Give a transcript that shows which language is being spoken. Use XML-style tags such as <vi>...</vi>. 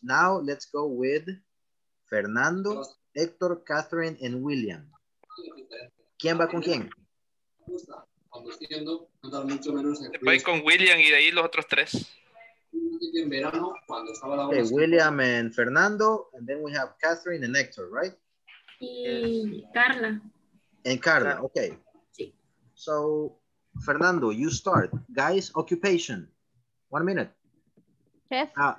<en>Now, let's go with Fernando, Héctor, Catherine, and William.</en> <es>¿Quién va con quién? Voy con William y de ahí los otros tres. En verano, cuando estaba la</es> <en>hora. Okay, William and Fernando, and then we have Catherine and Héctor, right? Y yes. Carla. And Carla, okay. So, Fernando, you start. Guys, occupation. 1 minute. Chef.</en>